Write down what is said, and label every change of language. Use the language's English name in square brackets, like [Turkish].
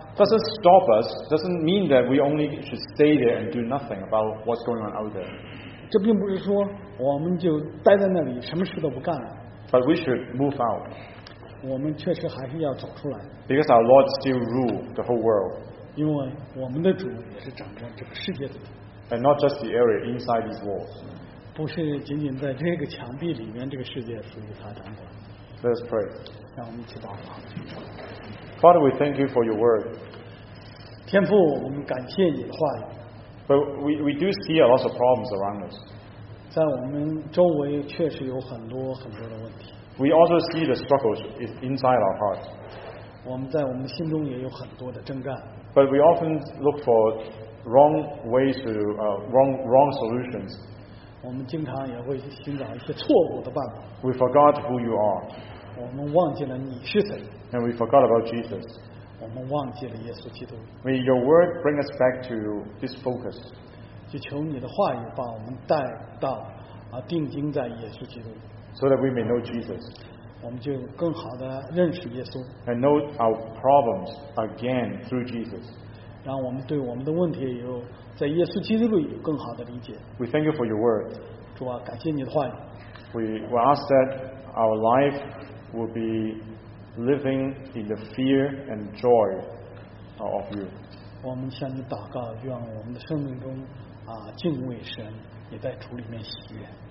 [English] Doesn't stop us, doesn't mean that we only should stay there and do nothing about what's going on out there. [Chinese] 这并不是说我们就待在那里什么事都不干了。 [English] But we should move out. [Chinese] 我们确实还是要走出来。 [English] Because our Lord still rules the whole world. [Chinese] 因为我们的主也是掌管这个世界的。 [English] And not just the area inside these walls. [Chinese] 不是仅仅在这个墙壁里面这个世界属于他掌管。 [English] Let us pray. [Chinese] 让我们一起祷告。 [English] Father, we thank you for your word. [Chinese] 天父，我们感谢你的话语。 [English] But we do see a lot of problems around us. [Chinese] 在我们周围确实有很多很多的问题。 [English] We also see the struggles inside our hearts. [Chinese] 我们在我们心中也有很多的征战。 [English] But we often look for wrong solutions. [Chinese] 我们经常也会寻找一些错误的办法。 [English] We forgot who you are. [Chinese] 我们忘记了你是谁。 [English] And we forgot about Jesus. [Chinese] 我们忘记了耶稣基督。 [English] May your word bring us back to this focus. [Chinese] 就求你的话语把我们带到定睛在耶稣基督。 [English] So that we may know Jesus. [Chinese] 我们就更好的认识耶稣。 [English] And know our problems again through Jesus. [Chinese] 让我们对我们的问题有在耶稣基督里有更好的理解。 [English] We thank you for your word. [Chinese] 主啊，感谢你的话语。 [English] We ask that our life will be living in the fear and joy of you. [Chinese] 我们向你祷告，愿我们的生命中敬畏神，也在主里面喜悦。